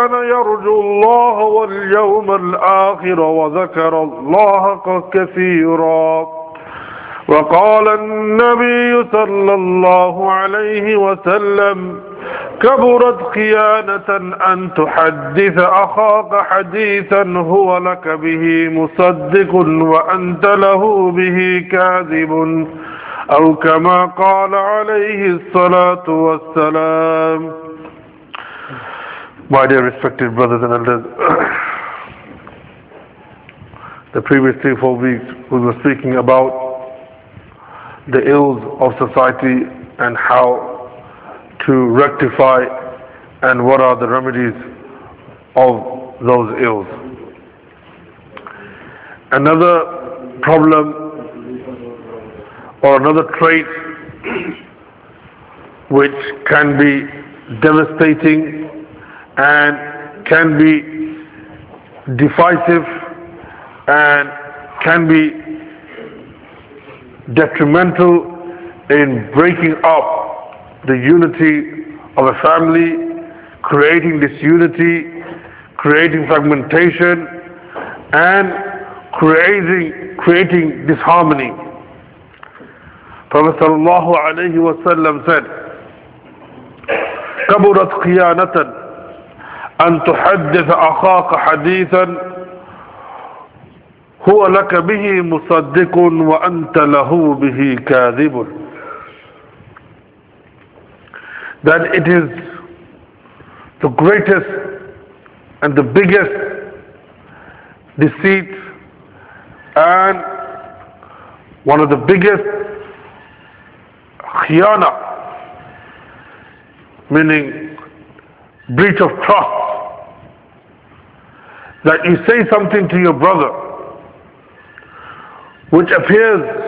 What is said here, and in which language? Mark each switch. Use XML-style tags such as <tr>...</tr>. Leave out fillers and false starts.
<ar>يرجو الله واليوم الآخر وذكر الله كثيرا وقال النبي صلى الله عليه وسلم كبرت خيانة أن تحدث أخاك حديثا هو لك به مصدق وأنت له به كاذب أو كما قال عليه الصلاة والسلام.</ar> <en>My dear respected brothers and elders, the previous 3-4 weeks we were speaking about the ills of society and how to rectify and what are the remedies of those ills. Another problem or another trait which can be devastating and can be divisive and can be detrimental in breaking up the unity of a family, creating disunity, creating fragmentation, and creating disharmony. Prophet sallallahu alayhi wa sallam said,</en> <ar>كَبُرَتْ خِيَانَةً أَن تُحَدِّثَ أَخَاكَ حَدِيثًا هُوَ لَكَ بِهِ مُصَدِّقٌ وَأَنْتَ لَهُ بِهِ كَاذِبٌ.</ar> <en>That it is the greatest and the biggest deceit and one of the biggest khiyana, meaning breach of trust, that you say something to your brother which appears</en>